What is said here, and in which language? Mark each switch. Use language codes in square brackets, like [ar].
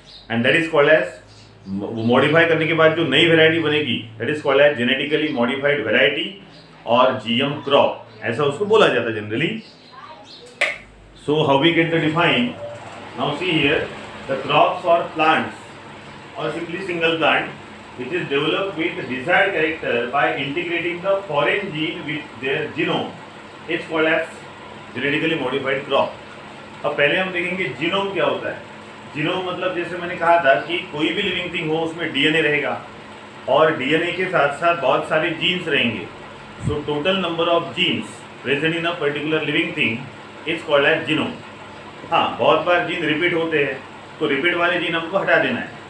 [en] and that is called as, [hi] वो modify करने के बाद जो नई वेरायटी बनेगी [en] that is called as genetically modified variety [hi] और GM क्रॉप, ऐसा उसको बोला जाता है generally. [en] So how we get the define, now see here the crops और plants और simply single plant which is developed with desired character by integrating the foreign gene with their genome. It's called as genetically modified crop. [hi] अब पहले हम देखेंगे genome क्या होता है. genome मतलब जैसे मैंने कहा था कि कोई भी living thing हो उसमें DNA रहेगा और DNA के साथ साथ बहुत सारे genes रहेंगे. [en] So total number of genes present in a particular living thing is called as genome. [hi] हाँ, बहुत बार जीन रिपीट होते हैं तो रिपीट वाले जीन हमको हटा देना है.